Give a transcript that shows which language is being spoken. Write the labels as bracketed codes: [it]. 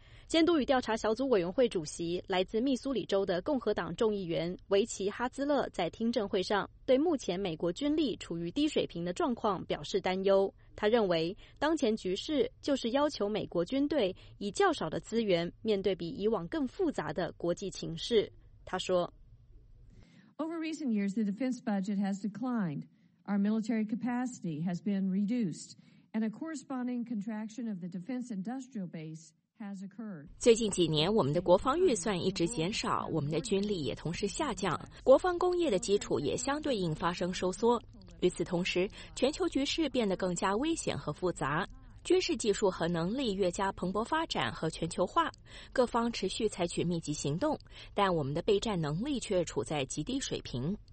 [zh] 监督与调查小组委员会主席来自密苏里州的共和党众议员维奇·哈兹勒在听证会上对目前美国军力处于低水平的状况表示担忧。他认为当前局势就是要求美国军队以较少的资源面对比以往更复杂的国际情势。他说， [en] Over recent years, the defense budget has declined. Our military capacity has been reduced, and a corresponding contraction of the defense industrial base has occurred. [zh] 最近几年，我们的国防预算一直减少，我们的军力也同时下降，国防工业的基础也相对应发生收缩。与此同时，全球局势变得更加危险和复杂。军事技术和能力越加蓬勃发展和全球化，各方持续采取密集行动，但我们的备战能力却处在极低水平。